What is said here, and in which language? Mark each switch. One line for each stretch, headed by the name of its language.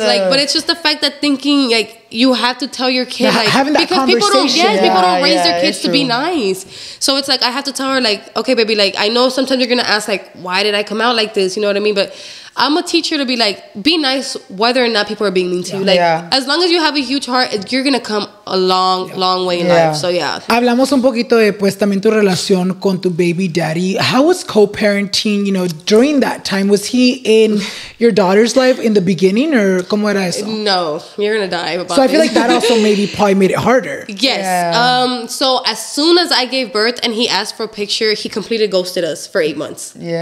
English: Like, but it's just the fact that thinking like you have to tell your kid like having that because conversation. People don't. Yes, yeah, people don't raise their kids to be nice. So it's like I have to tell her like, okay, baby. Like I know sometimes you're gonna ask like, why did I come out like this? You know what I mean? But I'm a teacher to be like, be nice whether or not people are being mean to you. Like, as long as you have a huge heart, you're going to come a long, long way in life. So,
Spanish: Hablamos un poquito de, pues, también tu relación con tu baby daddy.
English: How was co-parenting, you know, during that time? Was he in your daughter's life in the beginning or cómo era eso? No, you're going to die. About so, I feel like that also maybe probably made it harder. Yes. So, as soon as I gave birth and he asked for a picture, he completely ghosted us for 8 months.